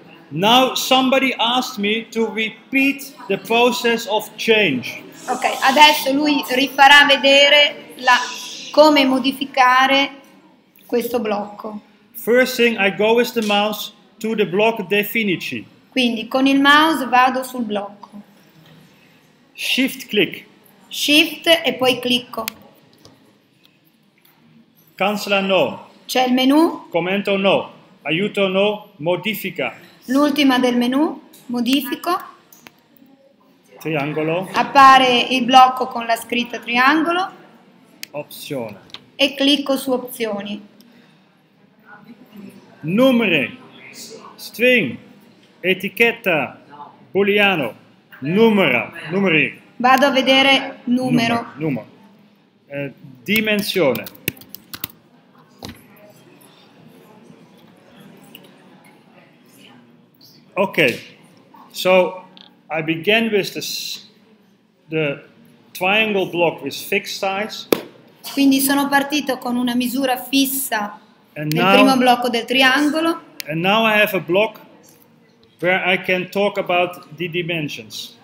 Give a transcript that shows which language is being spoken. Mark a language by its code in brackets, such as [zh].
[en] Now somebody asked me to repeat the process of change. [it] Ok, adesso lui rifarà vedere la come modificare questo blocco. [en] First thing I go with the mouse to the block definici. [it] Quindi con il mouse vado sul blocco. [en] Shift click. [it] Shift e poi clicco. [en] Cancel no. [it] C'è il menu. Commento no. Aiuto no. Modifica. L'ultima del menu. Modifico. Triangolo. Appare il blocco con la scritta triangolo. Opzione. E clicco su opzioni. Numeri. String. Etichetta. Booleano. Numera. Numeri. Vado a vedere numero. Numero. Dimensione. Ok. [en] So I began with the triangle block with fixed size. [it] Quindi sono partito con una misura fissa nel primo blocco del triangolo. [en] And now I have a block where I can talk about the dimensions.